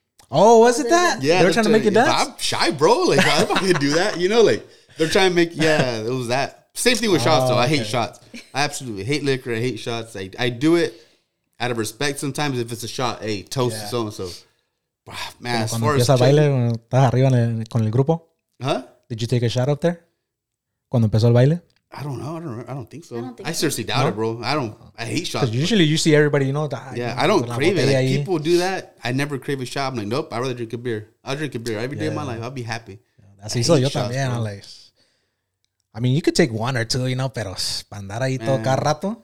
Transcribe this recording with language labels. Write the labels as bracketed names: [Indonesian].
[English] Oh, was it that? Yeah. They were trying to make you dance? I'm shy, bro. Like, I'm not going to do that. You know, like, they're trying to make, it was that. Same thing with shots, though. I hate shots. I absolutely hate liquor. I hate shots. I do it out of respect sometimes. If it's a shot, hey, toast, so-and-so. Man, as far as... [Spanish] ¿Estás arriba con el grupo? [English] Huh? Did you take a shot up there? [Spanish] Cuando empezó el baile? [English] I don't know. I don't think so. I seriously doubt it, bro. I hate shots. Because usually you see everybody, you know. I don't crave it. Like, people do that. I never crave a shot. I'm like, nope, I'd rather drink a beer. I'll drink a beer every day of my life. I'll be happy. Yeah, that's you también. Bro. I mean, you could take one or two, you know, pero para andar ahí todo cada rato.